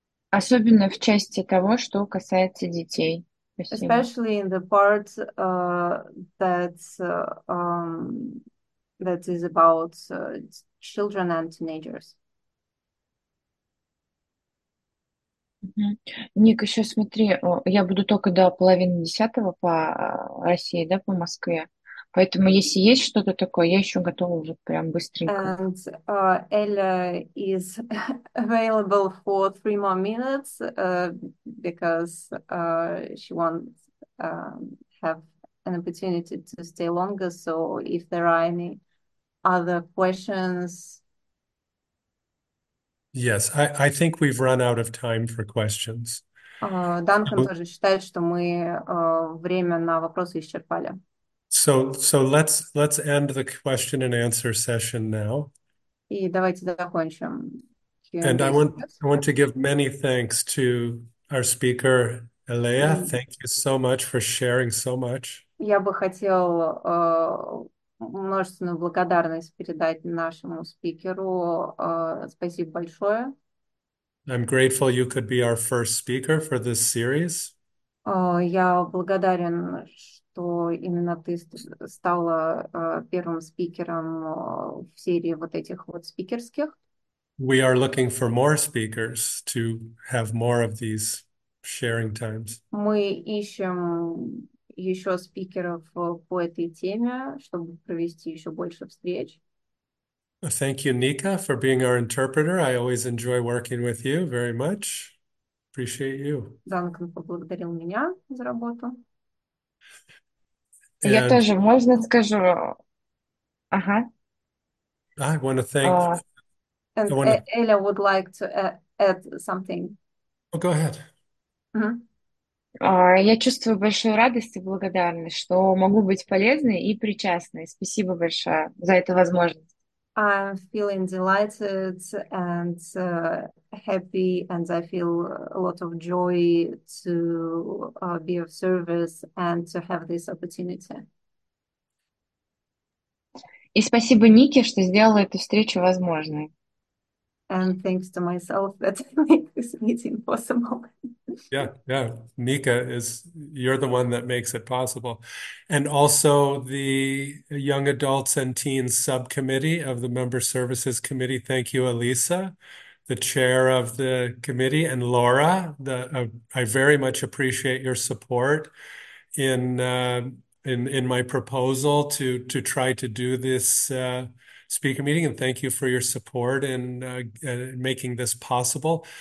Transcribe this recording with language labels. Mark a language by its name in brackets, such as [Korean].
[Russian] Особенно в части того, что касается детей. Спасибо. [English] especially in the part that is about children and teenagers. [Russian] Ник, еще смотри, я буду только до половины десятого по России, да, по Москве. Поэтому, если есть что-то такое, я еще готова уже прям быстренько. [English] And Ella is available for 3 more minutes because she won't have an opportunity to stay longer. So if there are any other questions. Yes, I think we've run out of time for questions. [Russian] Duncan тоже считает, что мы время на вопросы исчерпали. [English] So let's end the question and answer session now. [Russian] И давайте закончим [English] And [Russian] Q&A сейчас. [English] I want to give many thanks to our speaker, Elea. Thank you so much for sharing so much. [Russian] Я бы хотел множественную благодарность передать нашему спикеру. Спасибо большое. [English] I'm grateful you could be our first speaker for this series. [Russian] Я благодарен, что именно ты стала первым спикером в серии вот этих вот спикерских. [English] We are looking for more speakers to have more of these sharing times. [Russian] Мы ищем еще спикеров по этой теме, чтобы провести еще больше встреч. [English] Thank you, Nika, for being our interpreter. I always enjoy working with you very much. Appreciate you. [Russian] Данкан поблагодарил меня за работу. [English] And [Russian] Я тоже, можно скажу? [English] I And want Эля would like to add something. to. Oh, go ahead. [Russian] Я чувствую большую радость и благодарность, что могу быть полезной и причастной. Спасибо большое за эту возможность. [English] I'm feeling delighted and happy, and I feel a lot of joy to be of service and to have this opportunity. [Russian] И спасибо Нике, что сделала эту встречу возможной. [English] And thanks to myself that I make this meeting possible. Yeah. Nika is, you're the one that makes it possible. And also the Young Adults and Teens Subcommittee of the Member Services Committee. Thank you, Elisa, the chair of the committee, and Laura, I very much appreciate your support in my proposal to try to do this speaker meeting, and thank you for your support in making this possible.